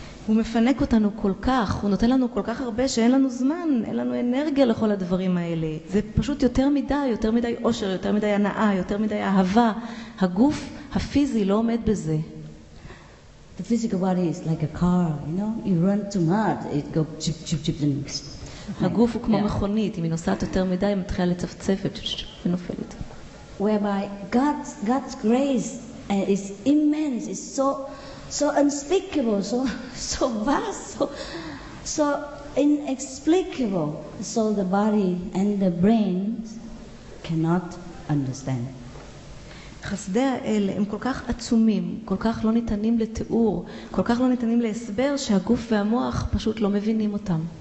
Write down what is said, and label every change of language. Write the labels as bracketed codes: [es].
[he] הוא מפנק אותנו כל כך, הוא נותן לנו כל כך הרבה שאין לנו זמן, אין לנו אנרגיה לכל הדברים האלה. זה פשוט יותר מדי, יותר מדי עושר, יותר מדי הנאה, יותר מדי אהבה. הגוף הפיזי לא עומד בזה. [en] The physical body is like a car, you know? You run too much, it goes chip, chip, chip, and... [he] הגוף הוא כמו מכונית, אם היא נוסעת יותר מדי, היא מתחילה לצפצפת ונופלת. [en] Whereby God's grace is immense, is so unspeakable, so vast, so inexplicable, so the body and the brain cannot understand. [he] חסדי האלה הם כל כך עצומים, כל כך לא ניתנים לתיאור, כל כך לא ניתנים להסבר, שהגוף והמוח פשוט לא מבינים אותם.